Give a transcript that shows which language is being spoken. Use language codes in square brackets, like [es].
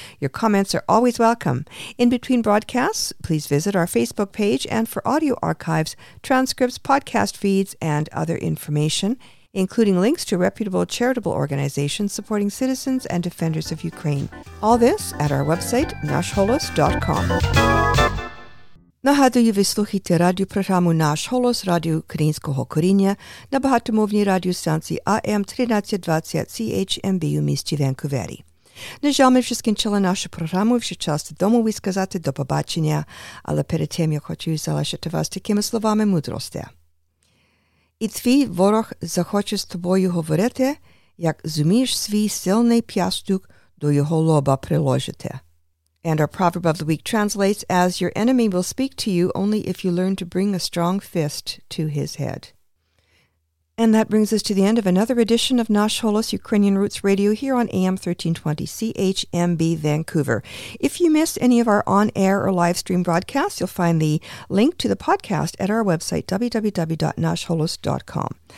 [en] Your comments are always welcome. In between broadcasts, please visit our Facebook page and for audio archives, transcripts, podcast feeds, and other information, including links to reputable charitable organizations supporting citizens and defenders of Ukraine. All this at our website, nashholos.com. [uk] Нагадую, ви слухайте радіопрограму «Наш Голос» радіо українського коріння на багатомовній радіостанції АМ 1320 CHMB у місті Ванкувері. На жаль, ми вже скінчили нашу програму, вже час додому ви сказати до побачення, але перед тим я хочу залишити вас такими словами мудрості. І твій ворог захоче з тобою говорити, як зумієш свій сильний п'ястюк до його лоба приложити. [en] And our proverb of the week translates, as your enemy will speak to you only if you learn to bring a strong fist to his head. And that brings us to the end of another edition of Nash Holos Ukrainian Roots Radio here on AM 1320 CHMB Vancouver. If you missed any of our on-air or live stream broadcasts, you'll find the link to the podcast at our website, www.nashholos.com.